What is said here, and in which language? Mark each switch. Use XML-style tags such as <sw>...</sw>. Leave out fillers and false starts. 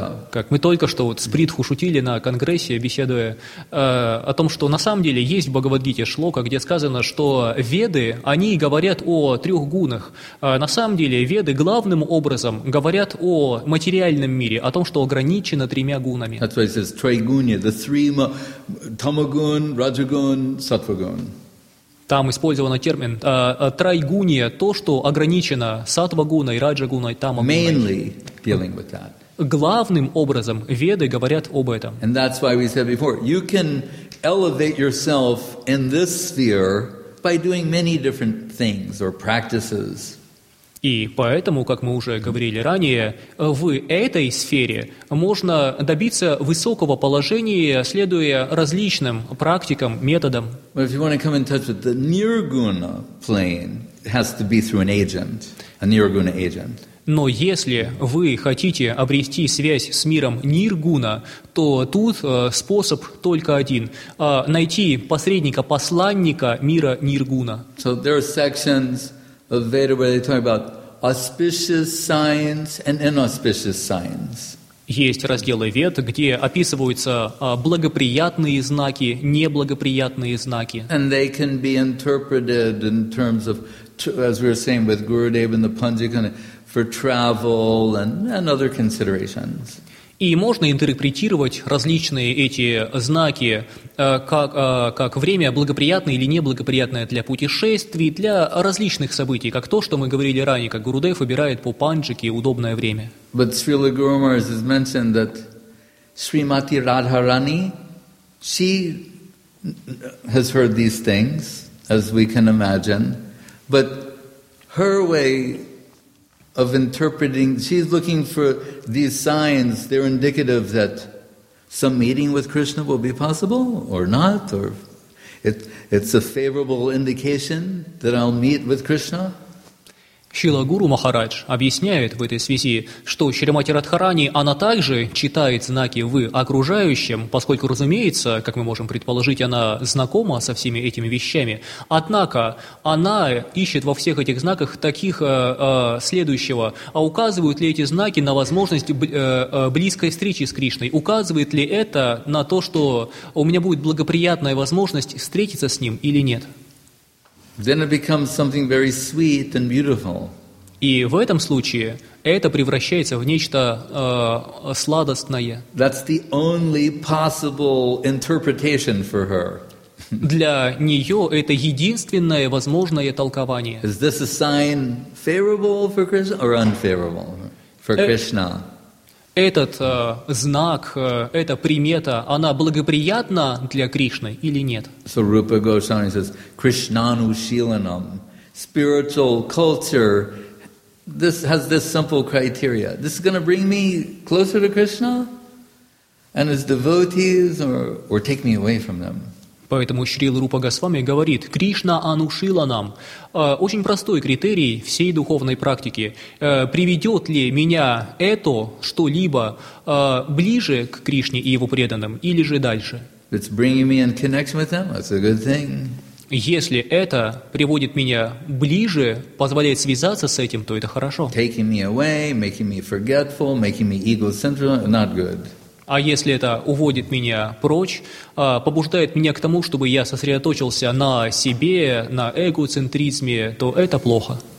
<ru>Как мы только что вот с Бритху шутили на конгрессе, беседуя о том, что на самом деле есть в Бхагавад-гите шлока, где сказано, что веды, они говорят о трех гунах. На самом деле веды главным образом говорят о материальном мире, о том, что ограничено тремя гунами.</ru> <en>That's why it says trigunya, the three tamagun, rajagun, sattvagun.</en> <ru>Там использован термин трайгуния, то, что ограничено сатвагуной, раджагуной, тамагуной.</ru> <en>Mainly dealing with that.</en> <ru>Главным образом веды говорят об этом.</ru> <en>And that's why we said before, you can elevate yourself in this sphere by doing many different things or practices.</en> <ru>И поэтому, как мы уже говорили ранее, в этой сфере можно добиться высокого положения, следуя различным практикам, методам.</ru> <en>But if you want to come in touch with the nirguna plane, it has to be through an agent, a nirguna agent.</en> <ru>Но если вы хотите обрести связь с миром ниргуна, то тут способ только один – найти посредника, посланника мира ниргуна.</ru> <en>So there are sections of Veda where they talk about auspicious signs and inauspicious signs.</en> <ru>Есть разделы Вед, где описываются благоприятные знаки, неблагоприятные знаки.</ru> <en>And they can be interpreted in terms of, as we were saying with Gurudev and the Panjikana, for travel and other considerations.</en> <ru>И можно интерпретировать различные эти знаки как время благоприятное или неблагоприятное для путешествий, для различных событий, как то, что мы говорили ранее, как Гурудев выбирает по панджике удобное время.</ru> <en>But Srila Guru Maharaj has mentioned that Srimati Radharani, she has heard these things, as we can imagine, but her way of interpreting, she's looking for these signs, they're indicative that some meeting with Krishna will be possible or not, or it's a favorable indication that I'll meet with Krishna.</en> <ru>Шрила Гуру Махарадж объясняет в этой связи, что Шримати Радхарани, она также читает знаки в окружающем, поскольку, разумеется, как мы можем предположить, она знакома со всеми этими вещами. Однако она ищет во всех этих знаках таких следующего. А указывают ли эти знаки на возможность близкой встречи с Кришной? Указывает ли это на то, что у меня будет благоприятная возможность встретиться с Ним или нет?</ru> <en>Then it becomes something very sweet and beautiful.</en> <ru>И в этом случае это превращается в нечто сладостное.</ru> <en>That's the only possible interpretation for her.</en> <ru>Для нее это единственное возможное толкование.</ru> <en>Is this a sign favorable for Krishna or unfavorable for Krishna?</en> <ru>Этот знак, эта примета, она благоприятна для Кришны или нет?</ru> <en>So Rupa Goswami says, Krishnanu Shilanam. Spiritual culture, this has this simple criteria. This is going to bring me closer to Krishna and his devotees or take me away from them.</en> <ru>Поэтому Шрила Рупа Госвами говорит, Кришна анушила нам. Очень простой критерий всей духовной практики. Приведет ли меня это что-либо ближе к Кришне и его преданным, или же дальше?</ru> <en>It's bringing me in connection with them, that's a good thing.</en> <ru>Если это приводит меня ближе, позволяет связаться с этим, то это хорошо.</ru> <en>Taking me away, making me forgetful, making me egocentric, not good.</en> <ru>А если это уводит меня прочь, побуждает меня к тому, чтобы я сосредоточился на себе, на эгоцентризме, то это плохо.</ru>